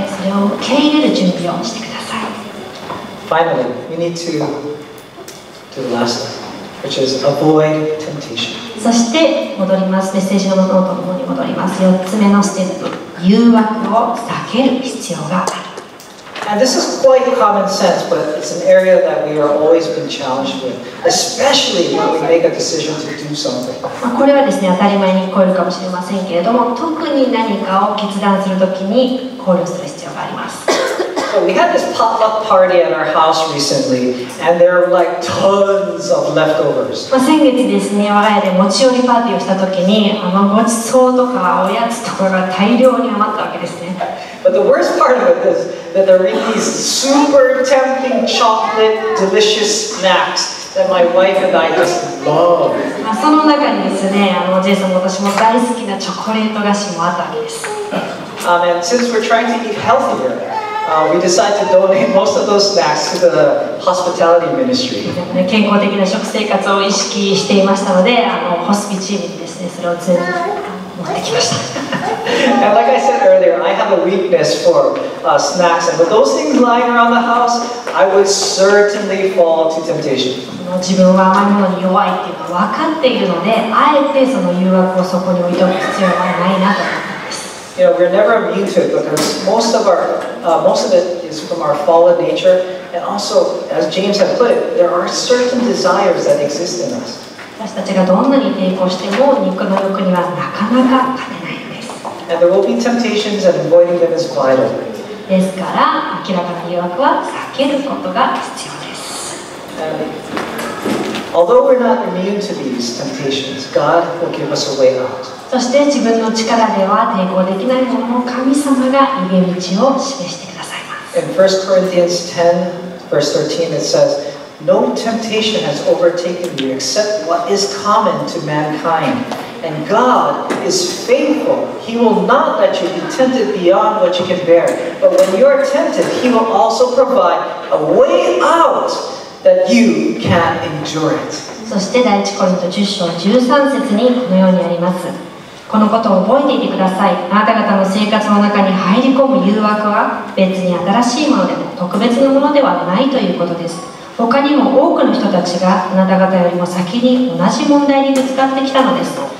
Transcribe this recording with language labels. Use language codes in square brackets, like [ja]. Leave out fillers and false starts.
[ja] 皆さんのために思って意見を言ってくれたり、連絡を取ってくれたりする人に対して拒絶しては意味がありませんので、それを受け入れる準備をしてください。 [en] Finally, we need to do the last thing, which is avoid temptation. [ja] そして、メッセージのノートの方に戻ります。4つ目のステップ、誘惑を避ける必要がある。 [en] And this is quite common sense, but it's an area that we are always been challenged with, especially when we make a decision to do something. [ja] これはですね、当たり前に聞こえるかもしれませんけれども、特に何かを決断するときに考慮する必要があります。 [en] So we had this pop-up party at our house recently, and there were like tons of leftovers. [ja] 先月ですね、我が家で持ち寄りパーティーをした時に、ごちそうとかおやつとかが大量に余ったわけですね。 [en] But the worst part of it is that there were these super tempting chocolate delicious snacks that my wife and I just love. [ja] その中にですね、ジェイソンも私も大好きなチョコレート菓子もあったわけです。 [en] And since we're trying to eat healthier, we decided to donate most of those snacks to the hospitality ministry. [ja] 健康的な食生活を意識していましたので、ホスピチームにですね、それを全部持ってきました。 [en] And like I said earlier, I have a weakness for snacks. And with those things lying around the house, I would certainly fall to temptation. [ja] 自分は甘いものに弱いっていうのは分かっているので、あえてその誘惑をそこに置いておく必要はないなと。 [en] You know, we're never immune to it because most of it is from our fallen nature. And also, as James had put it, there are certain desires that exist in us. [ja] 私たちがどんなに抵抗しても肉の欲にはなかなか勝てないんです。 [en] And there will be temptations and avoiding them is vital. [ja] ですから、明らかな誘惑は避けることが必要です。 [en] Although we're not immune to these temptations, God will give us a way out. [ja] そして自分の力では抵抗できないものも神様が逃げ道を示してくださいます。 [en] In 1 Corinthians 10, verse 13, it says, No temptation has overtaken you except what is common to mankind. And God is faithful. He will not let you be tempted beyond what you can bear. But when you are tempted, He will also provide a way out. That you can endure it. [ja] そして第一コリント10章13節にこのようにあります。このことを覚えていてください。あなた方の生活の中に入り込む誘惑は別に新しいものでも特別なものではないということです。他にも多くの人たちがあなた方よりも先に同じ問題にぶつかってきたのです。